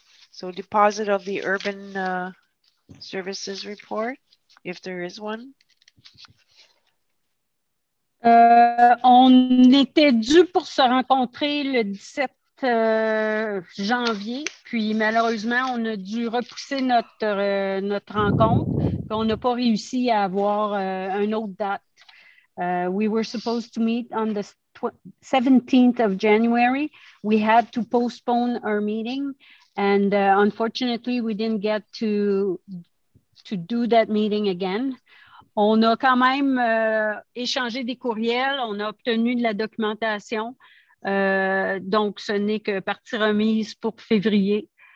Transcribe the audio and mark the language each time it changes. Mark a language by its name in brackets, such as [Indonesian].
[English] So, deposit of the urban services report, if there is one. [French] On était dû pour se rencontrer le 17 janvier, puis malheureusement, on a dû repousser notre rencontre. Puis on n'a pas réussi à avoir une autre date. [English] We were supposed to meet on the 17th of January. We had to postpone our meeting, and unfortunately, we didn't get to do that meeting again. [French] On a quand même échangé des courriels, on a obtenu de la documentation. Donc, ce n'est que partie remise pour février.